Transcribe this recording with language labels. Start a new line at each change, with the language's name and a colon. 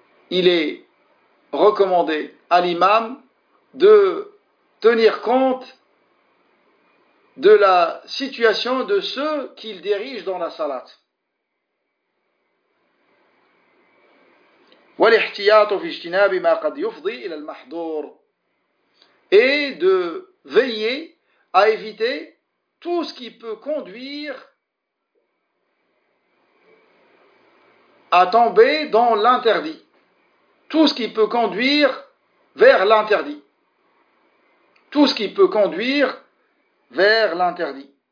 French: il est recommandé à l'imam de tenir compte de la situation de ceux qu'il dirige dans la salat.
Arabic: والاحتياط في اجتناب ما قد يفضي الى المحظور.
French: Et de veiller à éviter tout ce qui peut conduire à tomber dans l'interdit. Tout ce qui peut conduire vers l'interdit. Tout ce qui peut conduire vers l'interdit.